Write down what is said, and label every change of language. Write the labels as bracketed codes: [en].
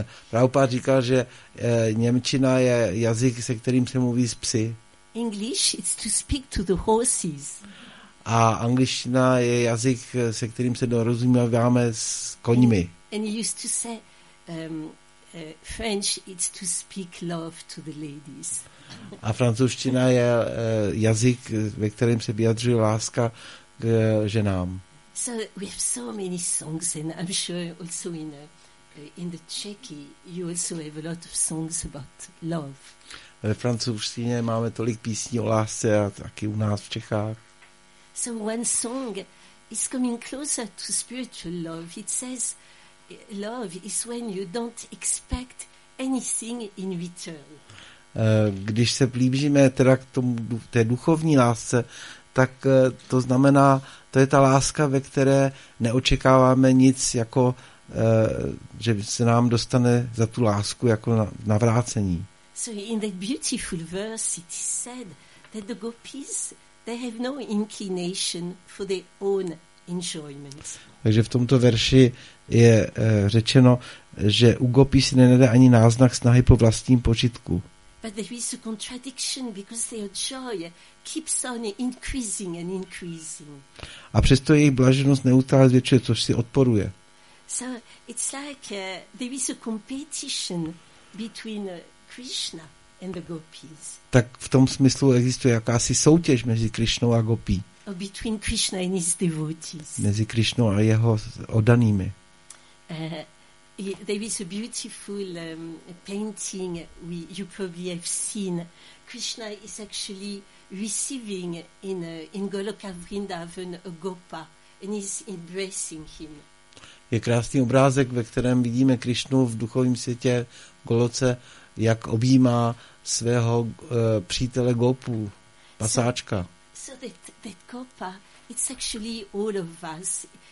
[cs] Prabhupada říkal, že němčina je jazyk, se kterým se mluví s psy. [en] English, it's to speak to the horses. [cs] A angličtina je jazyk, se kterým se dorozumíváme s koňmi. [en] And he used to say, French, it's to speak love to the ladies. [cs] A francouzština je jazyk, ve kterém se vyjadřuje láska k ženám. [en] So we have so many songs, and I'm sure also in the Czech you also have a lot of songs about love. [cs] Ve francouzštině máme tolik písní o lásce a taky u nás v Čechách. [en] So one song is coming closer to spiritual love. It says, love is when you don't expect anything in return. [cs] Když se blížíme teda k tomu té duchovní lásce, tak to znamená, to je ta láska, ve které neočekáváme nic jako, že se nám dostane za tu lásku jako navrácení. [en] So in that beautiful verse it is said that the gopis, they have no inclination for their own enjoyment. [cs] Takže v tomto verši je řečeno, že u gopí si nenede ani náznak snahy po vlastním požitku. [en] But there is a contradiction because their joy keeps on increasing and increasing. [cs] A přesto jejich blaženost neustále zvětšuje, což si odporuje. [en] So it's like there is a competition between Krishna and the gopis. [cs] Tak v tom smyslu existuje jakási soutěž mezi Krishnou a gopí. [en] Between Krishna and his devotees. [cs] Mezi Krishnou a jeho oddanými. [en] There is a beautiful painting you probably have seen. Krishna is actually receiving in Goloka Vrindavan a gopa and is embracing him. [cs] Je krásný obrázek, ve kterém vidíme Krishnu v duchovním světě Goloce, jak objímá svého přítele gopu, pasáčka. [en] So that gopa, it's actually all of us.